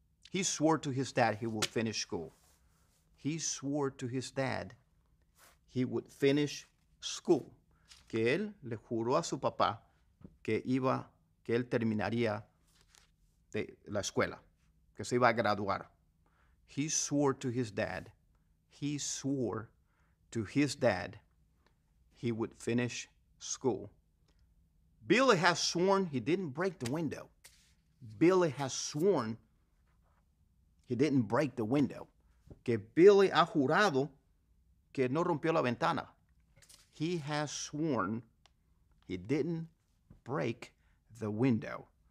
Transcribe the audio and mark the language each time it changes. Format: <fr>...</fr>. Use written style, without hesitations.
<en>He swore to his dad he would finish school. He swore to his dad he would finish</en> <es>school, que él le juró a su papá que iba, que él terminaría de la escuela, que se iba a graduar.</es> <en>He swore to his dad. He swore to his dad he would finish school. Billy has sworn he didn't break the window. Billy has sworn he didn't break the window.</en> <es>Que Billy ha jurado que no rompió la ventana.</es> <en>He has sworn he didn't break the window.</en>